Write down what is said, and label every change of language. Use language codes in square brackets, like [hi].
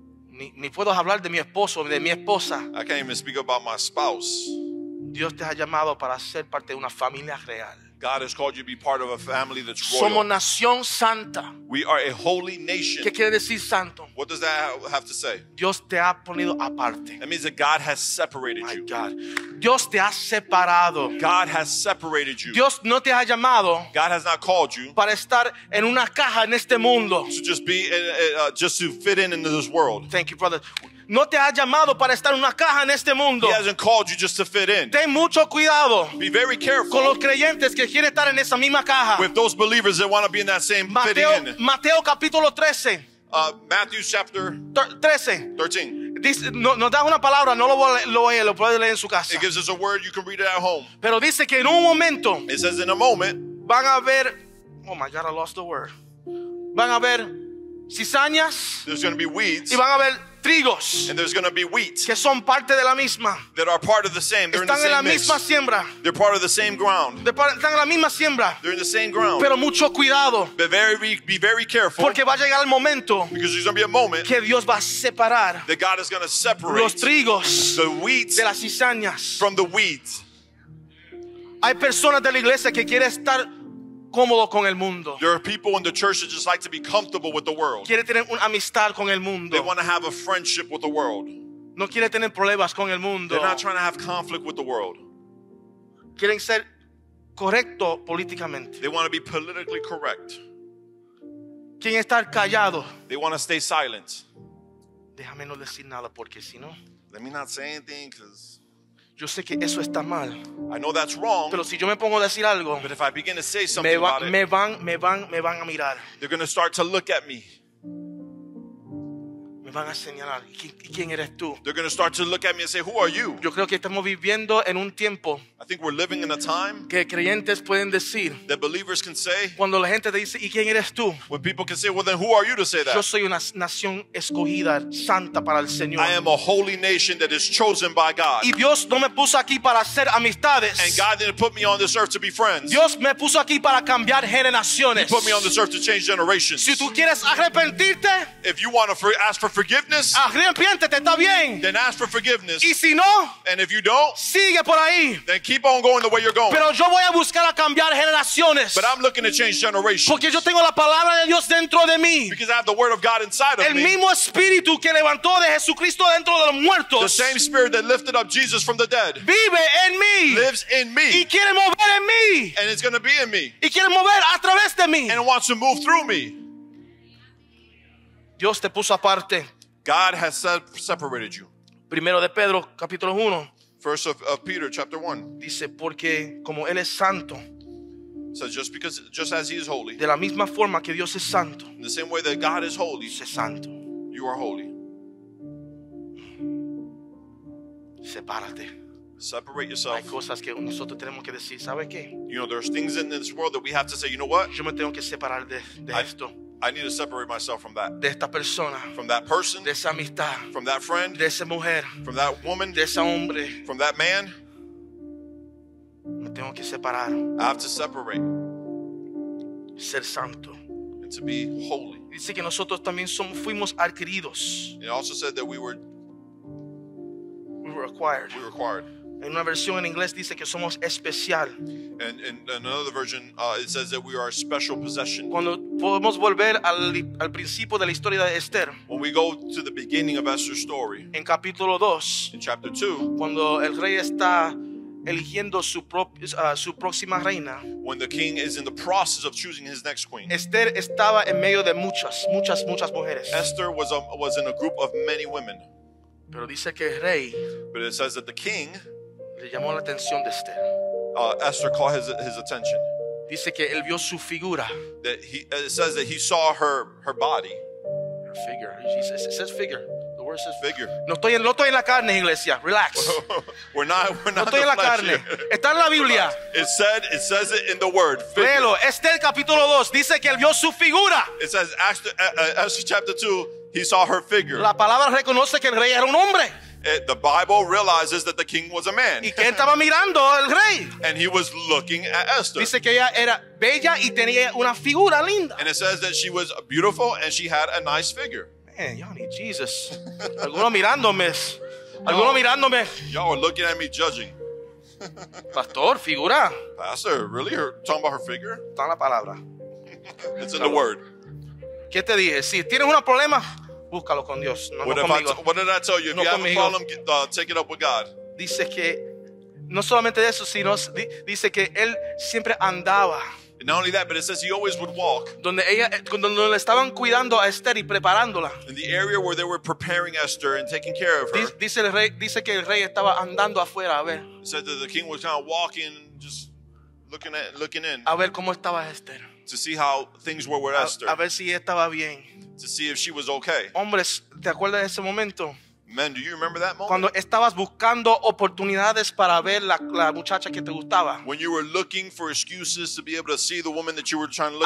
[es] Ni puedo hablar de mi esposo, de mi esposa. [en] I can't even speak about my spouse. [es] Dios te ha llamado para ser parte de una familia real. [en] God has called you to be part of a family that's royal. [es] Somos nación santa. [en] We are a holy nation. [es] ¿Qué quiere decir santo? [en] What does that have to say? [es] Dios te ha ponido aparte. [en] That means that God has separated My you. [es] God. Dios te ha separado. [en] God has separated you. [es] Dios no te ha llamado. [en] God has not called you. [es] Para estar en una caja en este mundo. [en] To just be just to fit in into this world. Thank you, brother. [es] No te ha llamado para estar en una caja en este mundo. [en] He hasn't called you just to fit in. [es] Ten mucho cuidado. [en] Be very careful. [es] Con los creyentes que quieren estar en esa misma caja. [en] With those believers that want to be in that same [es] Mateo, [en] fitting in. [es] Mateo capítulo 13. [en] Matthew chapter 13. [es] Dice, no da una palabra, no lo voy a leer, lo puedes leer en su casa. [en] It gives us a word, you can read it at home. [es] Pero dice que en un momento. [en] It says in a moment. [es] Van a ver, [en] oh my God, I lost the word. [es] Van a ver cizañas. [en] There's going to be weeds. [es] Y van a ver trigos. [en] And there's going to be wheat. [es] Que son parte de la misma. [en] That are part of the same. They're [es] están [en] in the same [es] en la misma [en] mix. [es] Siembra. [en] They're part of the same ground. [es] Están en la misma siembra. [en] They're in the same ground. [es] Pero mucho cuidado. [en] But be very careful. [es] Porque va a llegar el momento. [en] Because there's going to be a moment. [es] Que Dios va a separar. [en] That God is going to separate. [es] Los trigos. [en] The wheat. [es] De las cizañas. [en] From the wheat. [es] Hay personas de la iglesia que quieren estar cómodo con el mundo. [en] There are people in the church that just like to be comfortable with the world. [es] Quiere tener una amistad con el mundo. [en] They want to have a friendship with the world. [es] No quiere tener problemas con el mundo. [en] They're not trying to have conflict with the world. [es] Quieren ser correcto políticamente. [en] They want to be politically correct. [es] Quieren estar callado. [en] They want to stay silent. [es] Déjame no decir nada porque si no. [en] Let me not say anything because. [es] Yo sé que eso está mal. [en] I know that's wrong. [es] Pero si yo me pongo a decir algo, me van a mirar. [en] They're going to start to look at me. [es] Me van a señalar, ¿quién eres tú? [en] They're going to start to look at me and say, who are you? [es] Yo creo que estamos viviendo en un tiempo. [en] I think we're living in a time. [es] Que creyentes pueden decir. [en] That believers can say. [es] Cuando la gente te dice, ¿y quién eres tú? [en] When people can say, well then who are you to say that? [es] Yo soy una nación escogida, santa para el Señor. [en] I am a holy nation that is chosen by God. [es] Y Dios no me puso aquí para hacer amistades. [en] And God didn't put me on this earth to be friends. [es] Dios me puso aquí para cambiar generaciones. [en] He put me on this earth to change generations. [es] Si tú quieres arrepentirte. [en] If you want to ask for forgiveness. [es] Arrepiéntete, está bien. [en] Then ask for forgiveness. [es] Y si no. [en] And if you don't. [es] Sigue por ahí. [en] Then keep on going the way you're going. [es] Pero yo voy a buscar a cambiar generaciones. [en] But I'm looking to change generations. [es] Porque yo tengo la palabra de Dios dentro de mí. [en] Because I have the word of God inside of [es] me. El mismo espíritu que levantó de Jesucristo dentro de los muertos. [en] The same spirit that lifted up Jesus from the dead. [es] Vive en mí. [en] Lives in me. [es] Y quiere mover en mí. [en] And it's going to be in me. [es] Y quiere mover a través de mí. [en] And it wants to move through me. [es] Dios te puso aparte. [en] God has separated you. [es] Primero de Pedro, capítulo 1. [en] First of Peter chapter 1. [es] Dice porque como él es santo. [en] So just as he is holy. [es] De la misma forma que Dios es santo. [en] In the same way that God is holy. [es] Sé santo. [en] You are holy. [es] Sepárate. [en] Separate yourself. [es] Hay cosas que nosotros tenemos que decir, ¿sabes qué? [en] You know there's things in this world that we have to say, you know what? [es] Yo me tengo que separar de esto. [en] I need to separate myself from that. [es] De esta persona. [en] From that person. [es] De esa amistad. [en] From that friend. [es] De esa mujer. [en] From that woman. [es] De ese hombre. [en] From that man. [es] Me tengo que separar. [en] I have to separate. [es] Ser santo. [en] And to be holy. [es] Dice que nosotros también fuimos adquiridos. [en] It also said that we were acquired. We were acquired. [es] En una versión en inglés dice que somos especial. [en] And in another version, it says that we are a special possession. [es] Cuando podemos volver al principio de la historia de Esther. [en] When we go to the beginning of Esther's story. [es] En capítulo 2. [en] In chapter 2. [es] Cuando el rey está eligiendo su próxima reina. [en] When the king is in the process of choosing his next queen. [es] Esther estaba en medio de muchas mujeres. [en] Esther was in a group of many women. [es] Pero dice que el rey. [en] But it says that the king. [es] Le llamó la atención de Esther. [en] Esther caught his attention. [es] Dice que él vio su figura. [en] That he, it says that he saw her body. Her figure. It says figure. The word says figure. [es] No estoy en la carne, iglesia. Relax. [en] We're not. [es] No estoy en la carne. Está en la Biblia. [en] It says it in the word. [es] Léelo. Esther capítulo 2 dice que él vio su figura. [en] It says Esther chapter 2, he saw her figure. [es] La palabra reconoce que el rey era un hombre. [en] The Bible realizes that the king was a man. [es] ¿Y quién estaba mirando al rey? [en] And he was looking at Esther. [es] Dice que ella era bella y tenía una figura linda. [en] And it says that she was beautiful and she had a nice figure. Man, y'all need Jesus. [es] Alguno mirándome. Alguno mirándome. [en] Y'all are looking at me judging. [es] Pastor, figura. [en] Pastor, really? You're talking about her figure? [es] Está en la palabra. [en] It's in the word. [es] ¿Qué te dije? Si tienes un problema... búscalo con Dios, no conmigo. [en] What did I tell you? If [es] no [en] you have conmigo. A problem, take it up with God. [es] Dice que no solamente eso, sino dice que él siempre andaba. [en] And not only that, but it says he always would walk. [es] Donde ella, cuando le estaban cuidando a Esther y preparándola. [en] In the area where they were preparing Esther and taking care of her. [es] Dice que el rey estaba andando afuera a ver. [en] It said that the king was kind of walking, just looking in. [es] A ver cómo estaba Esther. [en] To see how things were with Esther. [es] A ver si estaba bien. [en] To see if she was okay. [es] Hombres, ¿te acuerdas de ese momento? [en] Men, do you remember that moment? [es] Cuando estabas buscando oportunidades para ver la muchacha que te gustaba. [en] When you were looking for excuses to be able to see the woman that you were trying to look